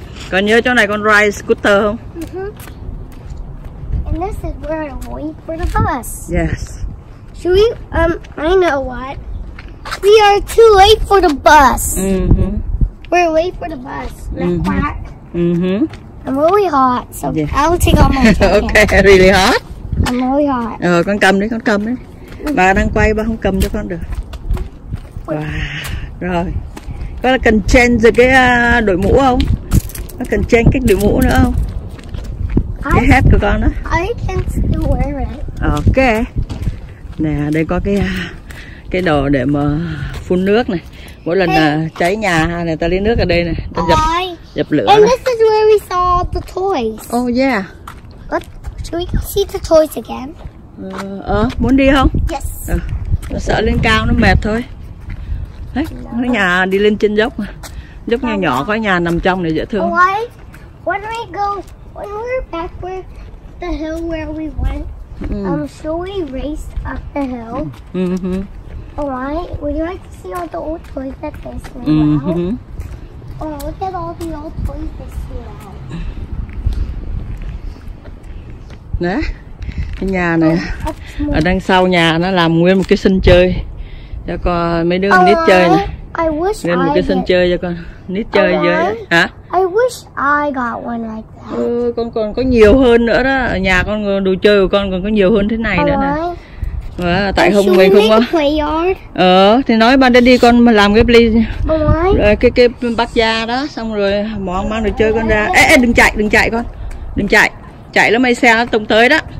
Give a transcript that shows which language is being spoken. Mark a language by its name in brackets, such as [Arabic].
[Vietnamese] Còn nhớ chỗ này con ride scooter không? [English] Mm-hmm. And this is where I wait for the bus. Yes. Should we, I know what. We are too late for the bus. Mm-hmm. We're late for the bus. Mm-hmm. I'm really hot, so yeah. I'll take off my jacket. Okay, really hot? I'm really hot. [Vietnamese] Ờ, con cầm đi, con cầm đi. Ba đang quay, ba không cầm cho con được. Wow. Rồi. Có là cần change cái đội mũ không? Có cần change cái đội mũ nữa không? Cái hat của con đó. [English] I can still wear it. [Vietnamese] Okay. Nè, đây có cái đồ để mà phun nước này. Mỗi lần cháy nhà hay là ta lấy nước ở đây này, ta dập dập lửa. [English] And this is where we saw the toys. Oh yeah. But should we see the toys again? [Vietnamese] Muốn đi không? [English] Yes. [Vietnamese] Nó sợ lên cao nó mệt thôi. Đấy, no. Nhà đi lên trên dốc mà. Dốc nhà nhỏ có nhà nằm trong này dễ thương. [English] Why? When we go, when we're back where the hill where we went, should we race up the hill? Would you like to see all the old toys that they still have? Look at all the old toys they still have. [Vietnamese] Nè. Cái nhà này ở đằng sau nhà nó làm nguyên một cái sân chơi cho con mấy đứa nít chơi này. Nguyên một cái sân chơi cho con nít chơi dưới hả? I wish I got one like that. Con còn có nhiều hơn nữa đó. Ở nhà con đồ chơi của con còn có nhiều hơn thế này nữa nè. Tại hôm mày không có. Thì nói ban đến đi con làm cái play cái bắt da đó xong rồi mò mang đồ chơi con ra. Ê đừng chạy, đừng chạy con. Đừng chạy. Chạy lắm mấy xe nó tông tới đó.